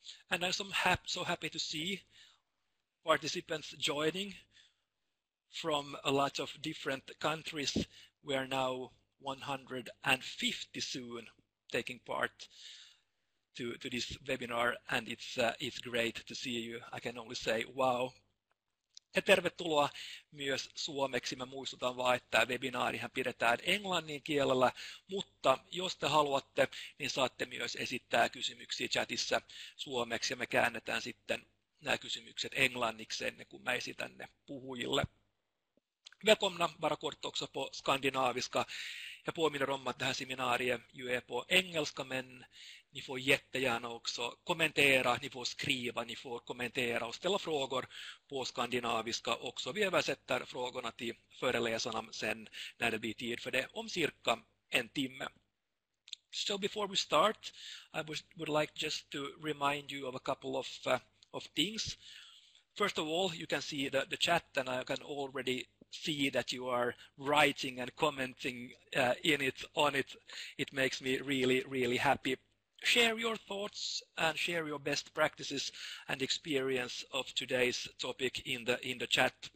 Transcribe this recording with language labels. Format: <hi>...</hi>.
<en>And I'm so happy to see participants joining from a lot of different countries. We are now 150 soon taking part to this webinar, and it's great to see you. I can only say wow.</en> <fi>Ja tervetuloa myös suomeksi. Mä muistutan vaan, että webinaarihan pidetään englannin kielellä, mutta jos te haluatte, niin saatte myös esittää kysymyksiä chatissa suomeksi ja me käännetään sitten nämä kysymykset englanniksi ennen kuin mä esitän ne puhujille.</fi> <sv>Välkomna varakort också på skandinaviska. Jag påminner om att det här seminariet ju är på engelska, men ni får jättegärna också kommentera, ni får skriva, ni får kommentera och ställa frågor på skandinaviska också. Vi översätter frågorna till föreläsarna sen när det blir tid för det, om cirka en timme.</sv> <en>So before we start, I would like just to remind you of a couple of things. First of all, you can see the chat, and I can already see that you are writing and commenting in it on it. It makes me really, really happy. Share your thoughts and share your best practices and experience of today's topic in the chat.</en>